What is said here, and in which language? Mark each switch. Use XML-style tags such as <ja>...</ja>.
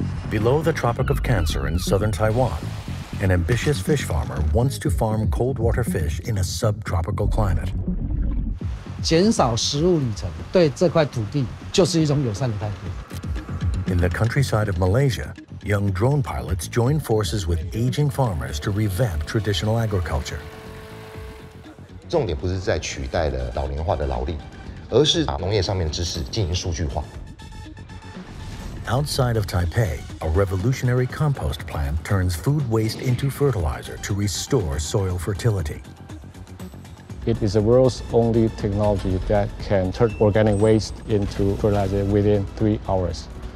<en>Below the Tropic of Cancer in southern Taiwan, an ambitious fish farmer wants to farm cold water fish in a subtropical climate.</en> <zh>减少食物里程对这块土地就是一种友善的态度。</zh> <en>In the countryside of Malaysia, young drone pilots join forces with aging farmers to revamp traditional agriculture.</en> <zh>重点不是在取代了老龄化的劳力，而是把农业上面的知识进行数据化。</zh> <en>Outside of Taipei, a revolutionary compost plant turns food waste into fertilizer to restore soil fertility. It is the world's only technology that can turn organic waste into fertilizer within 3 hours.</en>